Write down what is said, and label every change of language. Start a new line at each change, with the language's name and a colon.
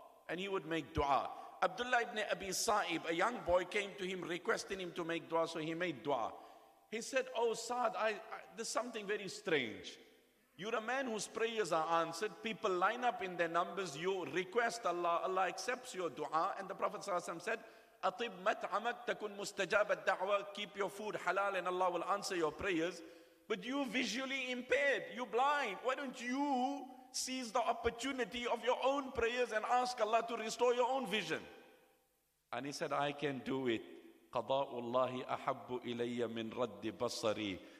English: And he would make dua. Abdullah ibn Abi Sa'ib, a young boy, came to him requesting him to make dua, so he made dua. He said, oh Sa'd, there's something very strange. You're a man whose prayers are answered. People line up in their numbers. You request Allah. Allah accepts your dua. And the Prophet said,
Arabic: أَطِبْ مَتْعَمَكْ تَكُنْ مُسْتَجَابَ الدَّعْوَى.
English: Keep your food halal and Allah will answer your prayers. But you visually impaired, you blind. Why don't you seize the opportunity of your own prayers and ask Allah to restore your own vision? And he said, I can do it.
Arabic: قَضَاءُ اللَّهِ أَحَبُّ إِلَيَّ مِنْ رَدِّ بَصَرِي.